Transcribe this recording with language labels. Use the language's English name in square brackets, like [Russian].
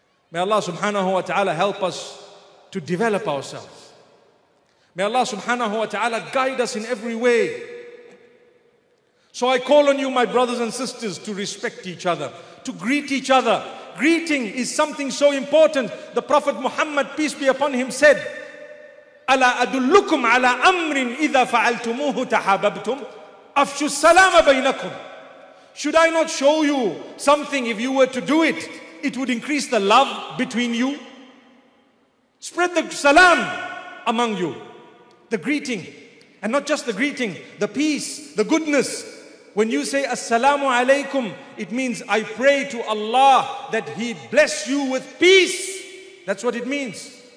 [English] May Allah subhanahu wa ta'ala help us to develop ourselves. May Allah subhanahu wa ta'ala guide us in every way. So I call on you, my brothers and sisters, to respect each other, to greet each other. Greeting is something so important. The Prophet Muhammad, peace be upon him, said, [Arabic] أَلَا أَدُلُّكُمْ عَلَىٰ أَمْرٍ إِذَا فَعَلْتُمُوهُ تَحَابَبْتُمْ أَفْشُ السَّلَامَ بَيْنَكُمْ. [English] Should I not show you something? If you were to do it, it would increase the love between you. Spread the salam among you, the greeting, and not just the greeting, the peace, the goodness. When you say assalamu alaykum, it means I pray to Allah that He bless you with peace. That's what it means.